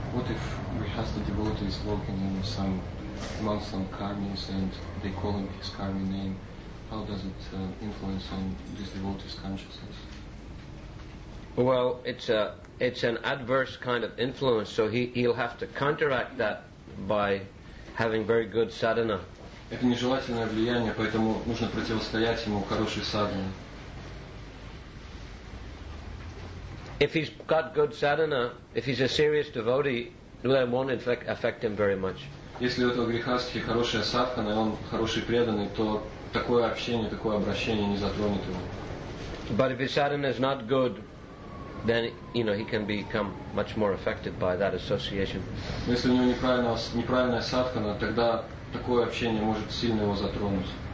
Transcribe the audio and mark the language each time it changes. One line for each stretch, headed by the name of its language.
English: What if grihastha devotee is working in some among some karmis and they call him his karmi name? How does it influence on this devotee's consciousness? Well, it's an adverse kind of influence, so he'll have to counteract that by having very good sadhana.
Russian: Это нежелательное влияние, поэтому нужно противостоять ему хорошей садханой.
English: If he's got good sadhana, if he's a serious devotee, then it won't affect him very much.
Russian: Если у этого грехастхи хорошая садхана, и он хороший преданный, то такое общение, такое обращение не затронет его.
English: But if his sadhana is not good, then you know he can become much more affected by that association.
Russian: Если у него неправильная садхана, тогда такое общение может сильно его затронуть.